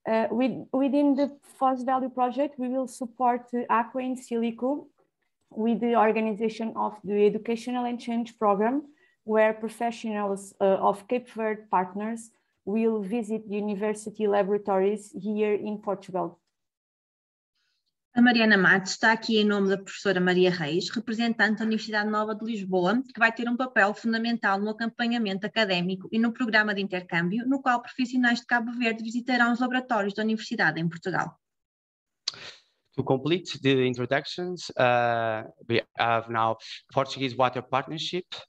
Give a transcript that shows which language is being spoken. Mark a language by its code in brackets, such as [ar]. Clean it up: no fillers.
[en] Within the Foz Valley project, we will support Aqua in Silico with the organization of the Educational and Change Program, where professionals of Cape Verde partners will visit university laboratories here in Portugal. [pt] A Mariana Matos está aqui em nome da professora Maria Reis, representante da Universidade Nova de Lisboa, que vai ter um papel fundamental no acompanhamento académico e no programa de intercâmbio, no qual profissionais de Cabo Verde visitarão os laboratórios da Universidade em Portugal. [en] To complete the introductions, we have now Portuguese Water Partnership.